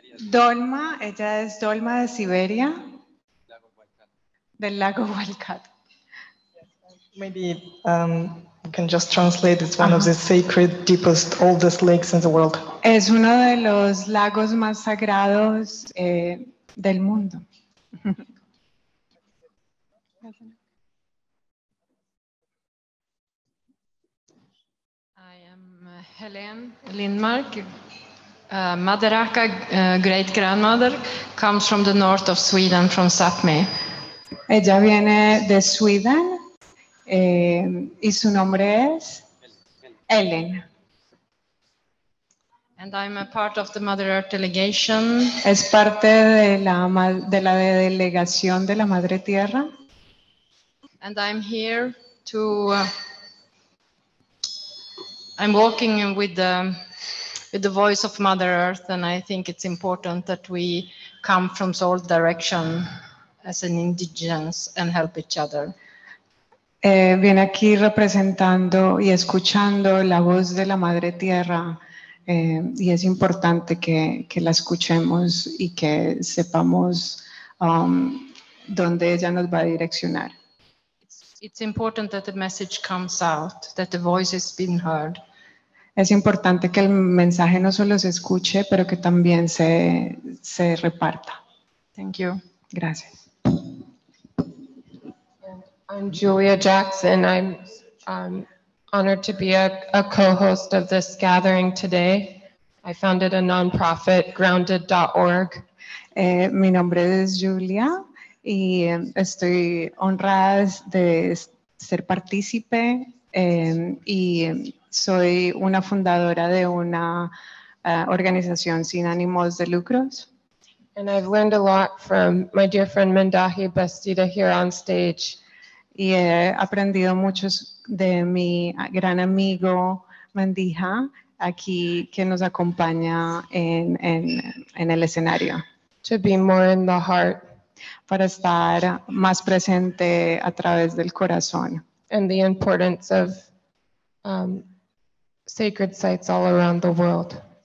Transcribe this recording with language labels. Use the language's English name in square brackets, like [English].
[Spanish] Dolma, ella es Dolma de Siberia, del lago Walcat. [English] Maybe you can just translate. It's one of the sacred, deepest, oldest lakes in the world. [Spanish] Es uno de los lagos más sagrados del mundo. [English] I am Helen Lindmark. Madaraka, great-grandmother, comes from the north of Sweden, from Sápmi. [Spanish] Ella viene de Sweden, y su nombre es Ellen. [English] And I'm a part of the Mother Earth delegation. [Spanish] Es parte de la delegación de la Madre Tierra. [English] And I'm here to... I'm walking with the... with the voice of Mother Earth, and I think it's important that we come from all direction as an indigenous and help each other. [Spanish] Viene aquí representando y escuchando la voz de la Madre Tierra, y es importante que la escuchemos y que sepamos dónde ella nos va a direccionar. [English] It's important that the message comes out, that the voice has been heard. [Spanish] Es importante que el mensaje no solo se escuche, pero que también se reparta. [English] Thank you. [Spanish] Gracias. [English] I'm Julia Jackson. I'm honored to be a co-host of this gathering today. I founded a non-profit, grounded.org. [Spanish] Mi nombre es Julia, y estoy honrada de ser partícipe, y... soy una fundadora de una organización sin ánimos de lucros. [English] And I've learned a lot from my dear friend Mindahi Bastida here on stage. [Spanish] Y he aprendido mucho de mi gran amigo Mandija aquí, que nos acompaña en el escenario. [English] To be more in the heart. [Spanish] Para estar más presente a través del corazón. [English] And the importance of sacred sites all around the world.